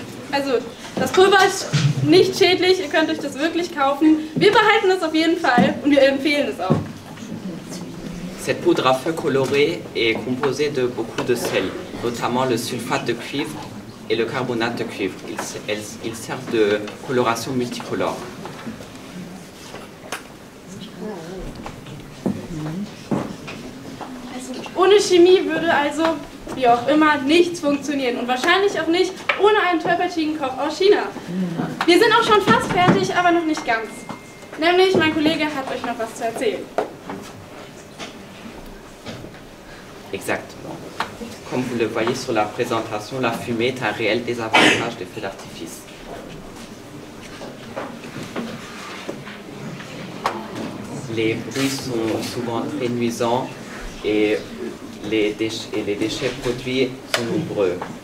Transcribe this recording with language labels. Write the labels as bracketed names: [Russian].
[German] Also, das Pulver ist nicht schädlich, ihr könnt euch das wirklich kaufen. Wir behalten es auf jeden Fall und wir empfehlen es auch. [French] Cette poudre à feu colorée est composée de beaucoup de sels, notamment le sulfate de cuivre et le carbonate de cuivre. Ils servent de coloration multicolore. [German] Ohne Chemie würde also, wie auch immer, nichts funktionieren. Und wahrscheinlich auch nicht ohne einen tollpatschigen Koch aus China. Wir sind auch schon fast fertig, aber noch nicht ganz. Nämlich, mein Kollege hat euch noch was zu erzählen. [French] Exactement. Comme vous le voyez sur la présentation, la fumée est un réel désavantage des feux d'artifice. Les bruits sont souvent très nuisants et les déchets produits sont nombreux.